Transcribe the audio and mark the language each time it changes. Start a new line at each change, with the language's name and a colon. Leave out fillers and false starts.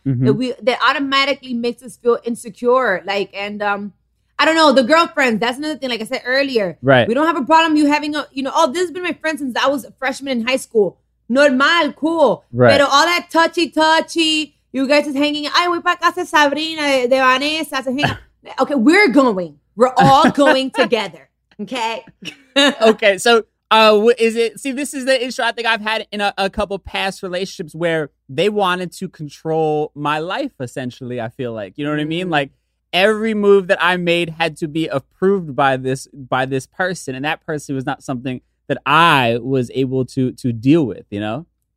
English: mm-hmm. that automatically makes us feel insecure. Like, and I don't know, the girlfriends, that's another thing. Like I said earlier, right. We don't have a problem you having a, you know, oh, this has been my friend since I was a freshman in high school. normal, cool. Right.
Spanish: Pero
English: all that touchy-touchy, you guys is hanging.
Spanish: Ay, voy para casa Sabrina de Vanessa.
English: Okay, we're going. We're all going together. Okay? Okay, so this is the issue I think I've had in a couple past relationships where they wanted to control my life, essentially, I feel like. You know what I mean? Like, every move that I made had to be approved by this person, and that person was not something that I was able to deal with, you know?